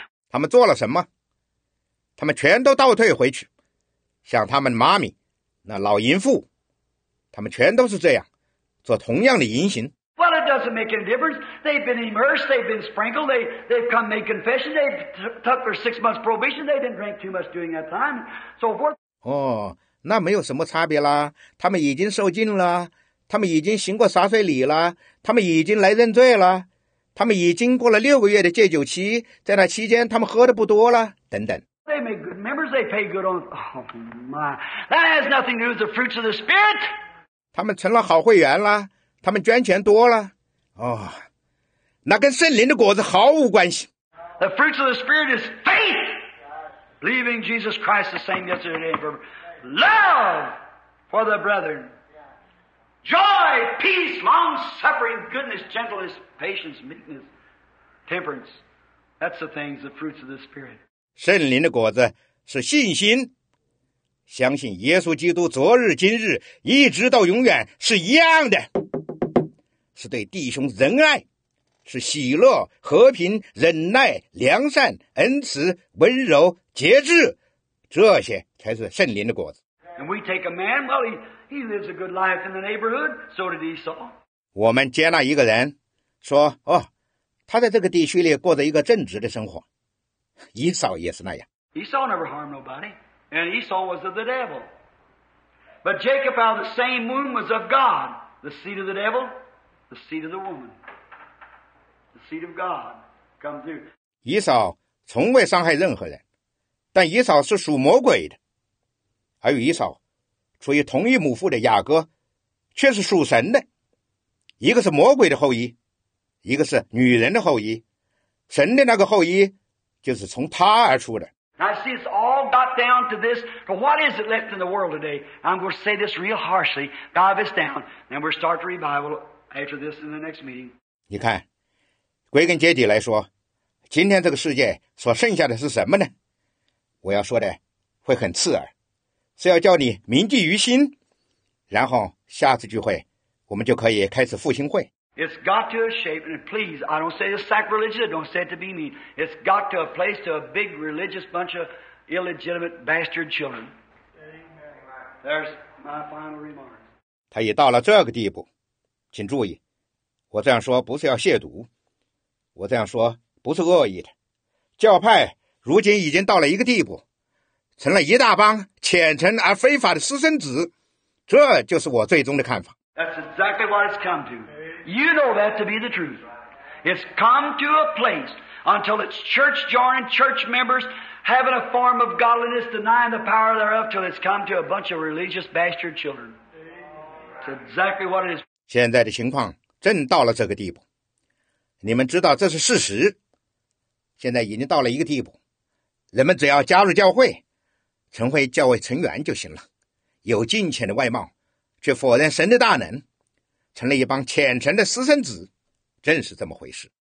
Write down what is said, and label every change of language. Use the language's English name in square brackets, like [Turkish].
[Chinese] 他们做了什么？他们全都倒退回去，像他们妈咪那老淫妇，他们全都是这样做同样的淫行。 [English] Well, it doesn't make any difference. They've been immersed. They've been sprinkled. They've come make confession. They've took their 6 months probation. They didn't drink too much during that time, so forth. [Chinese] 那没有什么差别啦，他们已经受浸了，他们已经行过洒水礼了，他们已经来认罪了，他们已经过了6个月的戒酒期，在那期间他们喝的不多了，等等。 [English] They make good members, they pay good on, oh my, that has nothing to do with the fruits of the Spirit. [Chinese] 他们成了好会员了，他们捐钱多了，哦，那跟圣灵的果子毫无关系。 [English] The fruits of the Spirit is faith, believing Jesus Christ the same yesterday and forever. Love for the brethren. Joy, peace, long-suffering, goodness, gentleness, patience, meekness, temperance. That's the things, the fruits of the Spirit. [Chinese] 圣灵的果子是信心，相信耶稣基督昨日今日一直到永远是一样的，是对弟兄仁爱，是喜乐、和平、忍耐、良善、恩慈、温柔、节制，这些才是圣灵的果子。 [English] And we take a man, well, he lives a good life in the neighborhood, so did Esau. [Chinese] 我们接纳一个人，说，哦，他在这个地区里过着一个正直的生活。以扫也是那样。 [English] Esau never harmed nobody, and Esau was of the devil. But Jacob out of the same womb was of God, the seed of the devil, the seed of the woman. The seed of God comes through. [Chinese] 以扫从未伤害任何人，但以扫是属魔鬼的，而与以扫处于同一母腹的雅各却是属神的，一个是魔鬼的后裔，一个是女人的后裔，神的那个后裔就是从他而出的。 [English] Now see, it's all got down to this. For what is it left in the world today? I'm going to say this real harshly. Dive this down. Then we'll start the revival after this in the next meeting. [Chinese] 你看，归根结底来说，今天这个世界所剩下的是什么呢？我要说的会很刺耳，是要叫你铭记于心。然后下次聚会，我们就可以开始复兴会。 [English] It's got to a shape, and please, I don't say it's sacrilegious, I don't say it to be mean. It's got to a place to a big religious bunch of illegitimate bastard children. There's my final remarks. [Chinese] 他已到了这个地步，请注意，我这样说不是要亵渎，我这样说不是恶意的。教派如今已经到了一个地步，成了一大帮虔诚而非法的私生子，这就是我最终的看法。 [English] That's exactly what it's come to. You know that to be the truth. It's come to a place until its church joining church members having a form of godliness denying the power thereof till it's come to a bunch of religious bastard children. It's exactly what it is. [Chinese] 现在的情况正到了这个地步。你们知道这是事实。现在已经到了一个地步。人们只要加入教会，成为教会成员就行了。有敬虔的外貌，却否认神的大能。成了一帮虔诚的私生子，正是这么回事。